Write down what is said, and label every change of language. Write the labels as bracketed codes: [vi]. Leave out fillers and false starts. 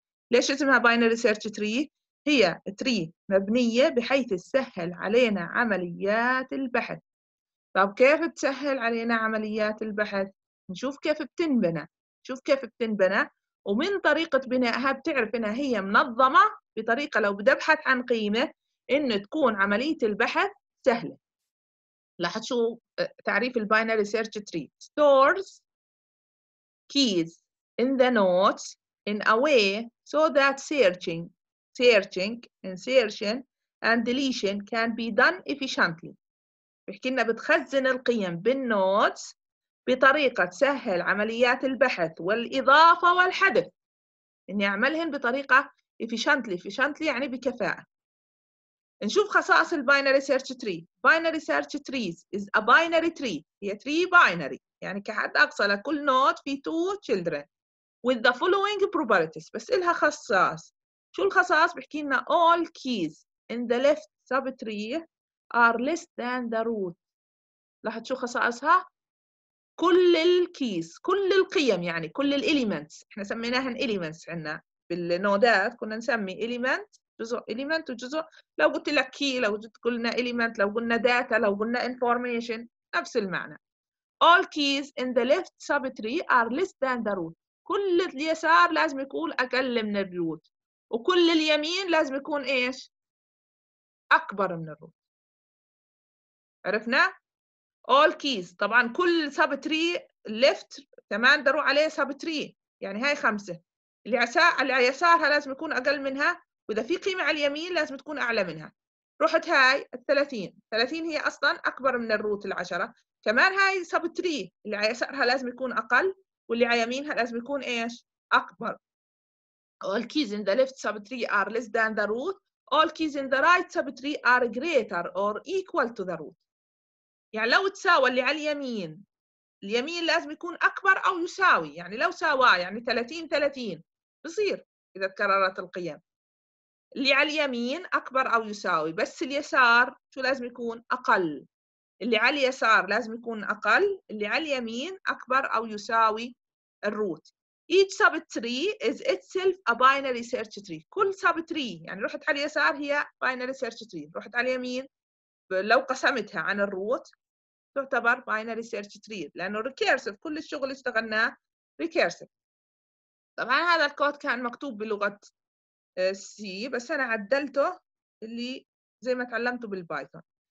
[ar] ليش اسمها باينري سيرش تري؟ هي تري مبنية بحيث تسهل علينا عمليات البحث. طب كيف تسهل علينا عمليات البحث؟ نشوف كيف بتنبنى، شوف كيف بتنبنى، ومن طريقة بنائها بتعرف إنها هي منظمة بطريقة لو بدي أبحث عن قيمة إن تكون عملية البحث سهلة. لاحظ شو تعريف الباينري سيرش تري: [en] stores keys in the nodes in a way so that searching, insertion and deletion can be done efficiently. [ar] بحكي لنا بتخزن القيم بالنودز بطريقة تسهل عمليات البحث والإضافة والحذف، إني أعملهن بطريقة efficiently. efficiently يعني بكفاءة. نشوف خصائص الباينري سيرش تري. باينري سيرش تريز [en] is a binary tree، [ar] هي تري باينري يعني كحد أقصى لكل نود في [en] two children with the following properties. [ar] بس إلها خصائص. شو الخصائص؟ بحكي لنا [en] all keys in the left subtree are less than the root. [ar] لاحظ شو خصائصها؟ كل الكيس، كل القيم يعني كل الاليمنتس، احنا سميناهن اليمنتس عندنا بالنودات، كنا نسمي اليمنت جزء اليمنت وجزء، لو قلت لك كي، لو قلنا اليمنت، لو قلنا داتا، لو قلنا انفورميشن، نفس المعنى. [en] All keys in the left subtree are less than the root. [ar] كل اليسار لازم يكون اقل من الروت، وكل اليمين لازم يكون ايش؟ اكبر من الروت. عرفنا؟ [en] all keys [ar] طبعا كل سب تري ليفت كمان بدي اروح عليه سب تري، يعني هاي خمسه اليسارها لازم يكون أقل منها، وإذا في قيمة على اليمين لازم تكون أعلى منها. روحت هاي الثلاثين، ثلاثين هي أصلاً أكبر من الروت العشرة، كمان هاي سب تري اللي على يسارها لازم يكون أقل، واللي على يمينها لازم يكون إيش؟ أكبر. [en] All keys in the left sub tree are less than the root. All keys in the right sub tree are greater or equal to the root. [ar] يعني لو تساوى اللي على اليمين، اليمين لازم يكون أكبر أو يساوي، يعني لو ساوى يعني 30 30 بصير إذا تكررت القيم. اللي على اليمين أكبر أو يساوي، بس اليسار شو لازم يكون؟ أقل. اللي على اليسار لازم يكون أقل، اللي على اليمين أكبر أو يساوي الروت. [en] Each subtree is itself a binary search tree. [ar] كل subtree يعني روحت على اليسار هي binary search tree، روحت على اليمين لو قسمتها عن الروت تعتبر binary search tree، لأنه recursive كل الشغل اشتغلناه recursive. طبعا هذا الكود كان مكتوب بلغة C بس أنا عدلته اللي زي ما تعلمته بالبايثون.